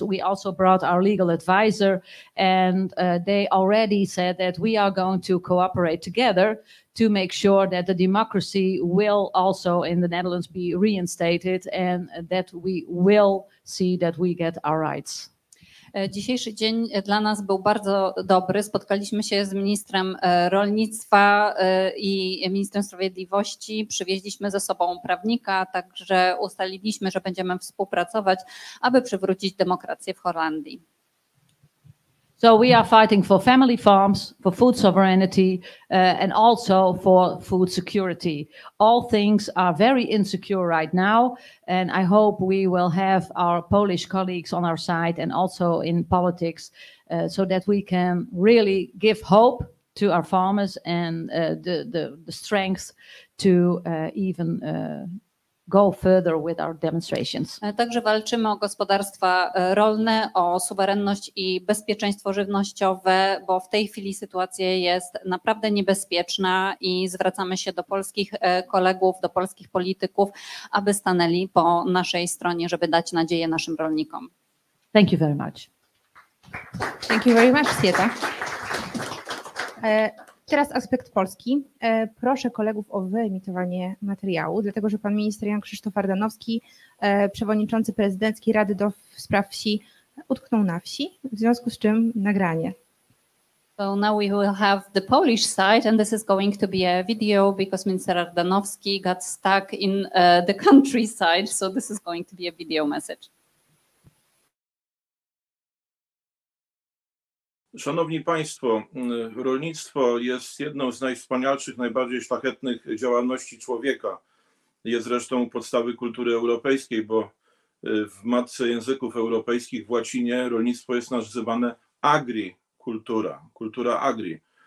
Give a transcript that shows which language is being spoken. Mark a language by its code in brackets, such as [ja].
[en] We also brought our legal advisor and they already said that we are going to cooperate together to make sure that the democracy will also in the Netherlands be reinstated and that we will see that we get our rights. [pl] Dzisiejszy dzień dla nas był bardzo dobry. Spotkaliśmy się z ministrem rolnictwa i ministrem sprawiedliwości. Przywieźliśmy ze sobą prawnika, także ustaliliśmy, że będziemy współpracować, aby przywrócić demokrację w Holandii. [en] So we are fighting for family farms, for food sovereignty, and also for food security. All things are very insecure right now, and I hope we will have our Polish colleagues on our side and also in politics, so that we can really give hope to our farmers and the strength to even go further with our demonstrations. [pl] Także walczymy o gospodarstwa rolne, o suwerenność i bezpieczeństwo żywnościowe, bo w tej chwili sytuacja jest naprawdę niebezpieczna i zwracamy się do polskich kolegów, do polskich polityków, aby stanęli po naszej stronie, żeby dać nadzieję naszym rolnikom. [en] Thank you very much. Thank you very much, Sieta. [pl] Teraz aspekt Polski. Proszę kolegów o wyemitowanie materiału, dlatego że pan minister Jan Krzysztof Ardanowski, przewodniczący prezydenckiej Rady do Spraw Wsi, utknął na wsi, w związku z czym nagranie. [en] So now we will have the Polish side and this is going to be a video because Minister Ardanowski got stuck in the countryside, so this is going to be a video message. [pl] Szanowni Państwo, rolnictwo jest jedną z najwspanialszych, najbardziej szlachetnych działalności człowieka. Jest zresztą u podstawy kultury europejskiej, bo w matce języków europejskich, w łacinie, rolnictwo jest nazywane agricultura, kultura agri.